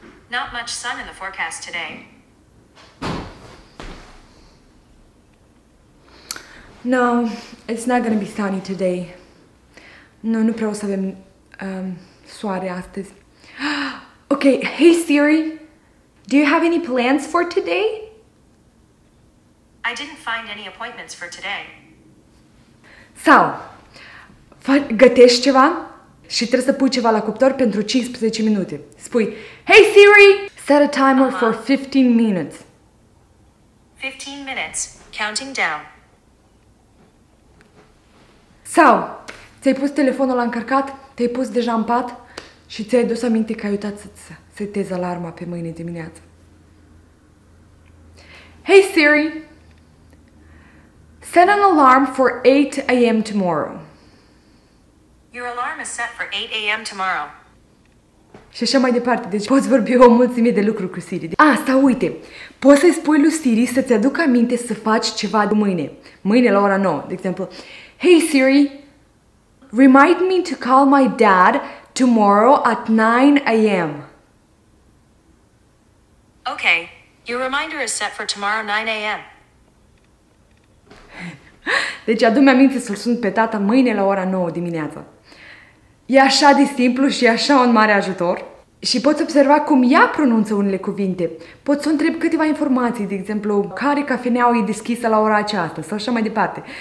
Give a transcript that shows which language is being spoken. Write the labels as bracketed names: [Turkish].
[English] Not much sun in the forecast today. No, it's not going to be sunny today. [Romanian] No, nu prea o să avem soare astăzi. [English] Okay, hey Siri, do you have any plans for today? I didn't find any appointments for today. [Romanian] Sau, gătești ceva și trebuie să pui ceva la cuptor pentru 15 minute. Spui, [English] hey Siri, set a timer for 15 minutes. 15 minutes, counting down. [Romanian] Sau, ți-ai pus telefonul la încărcat, te-ai pus deja în pat și ți-ai dus aminte că ai uitat să-ți setezi alarma pe mâine dimineață. [English] Hey Siri, set an alarm for 8 a.m. tomorrow. Your alarm is set for 8 a.m. tomorrow. [Romanian] Și așa mai departe, deci poți vorbi o mulțime de lucruri cu Siri. Asta, uite, poți să-i spui lui Siri să-ți aducă aminte să faci ceva de mâine. Mâine la ora 9, de exemplu. Hey Siri, remind me to call my dad tomorrow at 9 a.m. Okay, your reminder is set for tomorrow 9 a.m. Deci adu-mi aminte să-l sun pe tata mâine la ora 9 dimineața. E așa de simplu și e așa un mare ajutor. Și poți observa cum ea pronunță unele cuvinte. Poți să întrebi câteva informații, de exemplu, care cafeneaua e deschisă la ora aceasta sau așa mai departe.